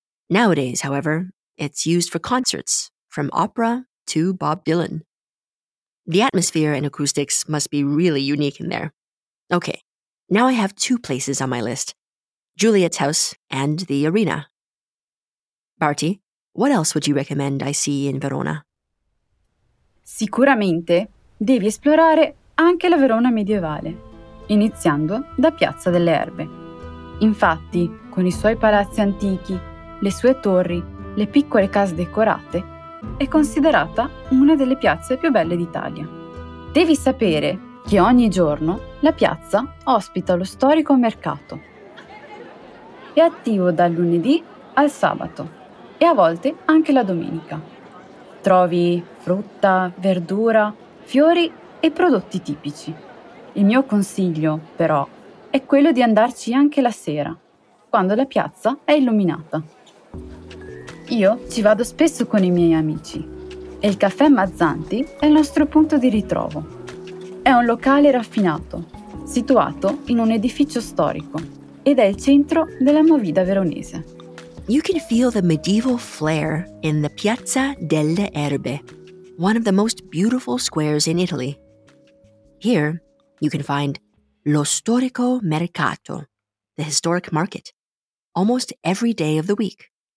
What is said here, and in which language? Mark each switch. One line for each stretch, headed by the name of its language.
English: Nowadays, however, it's used for concerts, from opera to Bob Dylan. The atmosphere and acoustics must be really unique in there. Okay, now I have two places on my list, Juliet's house and the arena. Barty, what else would you recommend I see in Verona?
Italian: Sicuramente devi esplorare anche la Verona medievale, iniziando da Piazza delle Erbe. Infatti, con i suoi palazzi antichi, le sue torri, le piccole case decorate, è considerata una delle piazze più belle d'Italia. Devi sapere che ogni giorno la piazza ospita lo storico mercato. È attivo dal lunedì al sabato e a volte anche la domenica. Trovi frutta, verdura, fiori e prodotti tipici. Il mio consiglio, però, è quello di andarci anche la sera, quando la piazza è illuminata. Io ci vado spesso con i miei amici e il caffè Mazzanti è il nostro punto di ritrovo. È un locale raffinato, situato in un edificio storico ed è il centro della movida veronese.
English: You can feel the medieval flair in the Piazza delle Erbe, one of the most beautiful squares in Italy. Here, you can find
Italian: lo storico mercato,
English: the historic market, almost every day of the week.